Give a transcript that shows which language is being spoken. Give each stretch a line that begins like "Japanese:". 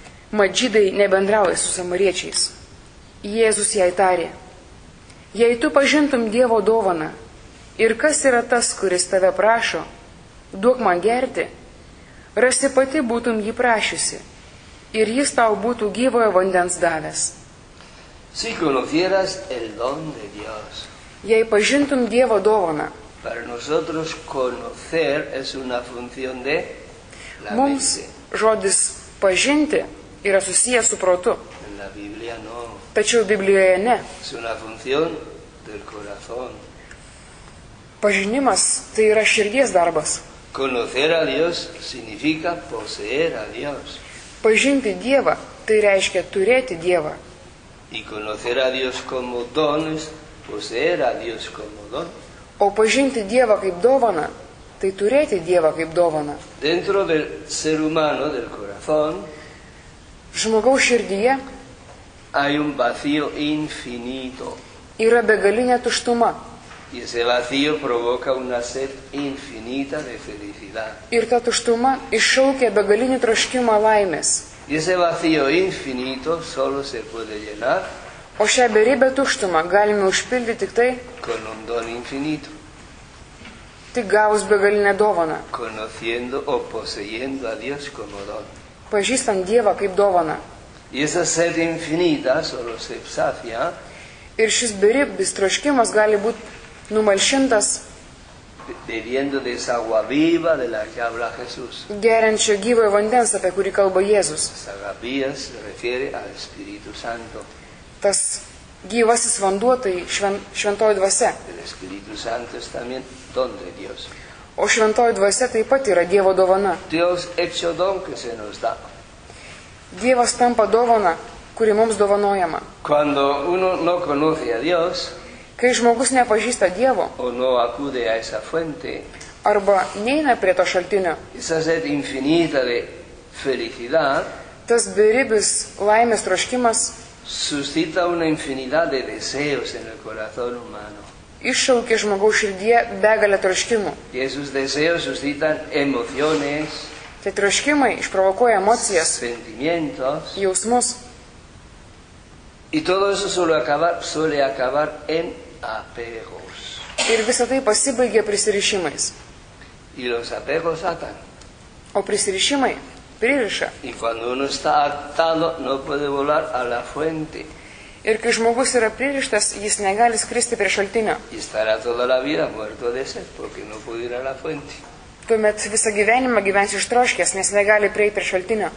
Lithuanian: Mat žydai nebendrauja su samariečiais. Jėzus jai tarė: jei tu pažintum Dievo dovaną, ir kas yra tas, kuris tave prašo, duok man gerti, rasi pati būtum jį prašiusi, ir jis tau būtų gyvojo vandens davęs.
Spanish: Si conocieras el don de Dios.
Lithuanian: Jei pažintum Dievo dovaną.
Spanish: Para nosotros conocer es una función de la
Lithuanian: mums
Spanish: mente.
Lithuanian: Žodis pažinti yra susijęs su protu.
Spanish: La Biblia no.
Lithuanian: Tačiau Biblijoje ne.
Spanish: Es una función del corazón.
Lithuanian: Pažinimas tai yra širdies darbas.
Spanish: Conocer a Dios significa poseer a Dios.
Lithuanian: Pažinti Dievą tai reiškia turėti Dievą.
Spanish: Y conocer a Dios como don es poseer a Dios como don.
Lithuanian: O pažinti Dievą kaip dovaną, tai turėti Dievą kaip dovaną.
Spanish: Dentro del ser humano, del corazón,
Lithuanian: žmogaus širdyje
Spanish: hay un vacío infinito.
Lithuanian: Yra begalinė tuštuma.
Spanish: Y ese vacío provoca una sed infinita de felicidad.
Lithuanian: Ir ta tuštuma iššaukia begalinį troškimą laimės.
Spanish: Y ese vacío infinito solo se puede llenar.
Lithuanian: O šią beribę tuštumą galime užpildyti tik tai
Spanish: con un don infinito.
Lithuanian: Tik gavus begalinę dovaną.
Spanish: Conociendo o poseyendo a Dios como don.
Lithuanian: Pažįstant Dievą kaip dovaną.
Spanish: Y esa sed infinita solo se sacia.
Lithuanian: Ir šis beribis troškimas gali būti numalšintas
Spanish: bebiendo de esa agua viva de la que habla Jesús.
Lithuanian: Geriančio gyvojo vandens, apie kurį kalba Jėzus.
Spanish: Esa agua se refiere al Espíritu Santo.
Lithuanian: Tas gyvasis vanduo, tai šventoji dvasia.
Spanish: El Espíritu Santo es también don de Dios.
Lithuanian: O šventoji dvasia taip pat yra Dievo dovana.
Spanish: Dios hecho don que se nos da.
Lithuanian: Dievas tampa dovana, kuri mums dovanojama.
Spanish: Cuando uno no conoce a Dios,
Lithuanian: kai žmogus nepažįsta Dievo,
Spanish: o no acude a esa fuente,
Lithuanian: arba neina prie to šaltinio,
Spanish: esa sed infinita de felicidad,
Lithuanian: tas beribis laimės troškimas
Spanish: suscita una infinidad de deseos en el corazón humano.
Lithuanian: Iššaukia žmogaus širdyje begalę troškimų.
Spanish: Y esos deseos suscitan emociones.
Lithuanian: Tie troškimai išprovokuoja emocijas,
Spanish: sentimientos,
Lithuanian: jausmus.
Spanish: Y todo eso suele acabar en apegos.
Lithuanian: Ir visa tai pasibaigia prisirišimais.
Spanish: Y los apegos atan.
Lithuanian: O prisirišimai pririša.
Spanish: Y cuando uno está atado, no puede volar a la fuente.
Lithuanian: Ir kai žmogus yra pririštas, jis negali skristi prie šaltinio.
Spanish: Y estará toda la vida muerto de sed, porque no puede ir a la fuente.
Lithuanian: Tuomet visą gyvenimą gyvens iš troškės, nes negali prieiti prie šaltinio.